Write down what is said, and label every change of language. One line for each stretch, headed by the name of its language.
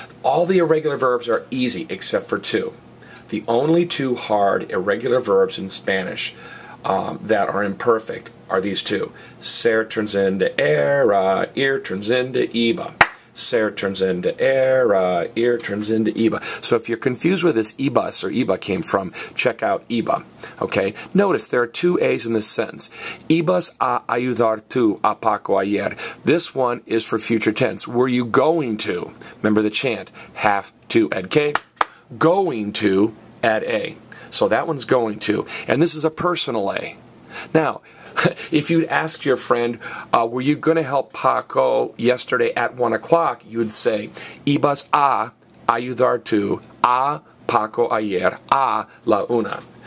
English: All the irregular verbs are easy except for two. The only two hard irregular verbs in Spanish that are imperfect are these two. Ser turns into era, ir turns into iba. Ser turns into era, ir turns into iba. So if you're confused where this ibas or iba came from, check out iba. Okay? Notice there are two A's in this sentence.
Spanish: Ibas a ayudar tú a Paco ayer.
English: This one is for future tense. Were you going to? Remember the chant. Have to, add K. Going to, add A. So that one's going to. And this is a personal A. Now, if you'd asked your friend, were you going to help Paco yesterday at 1 o'clock, you'd say,
Spanish: Ibas a ayudar tú a Paco ayer a la una.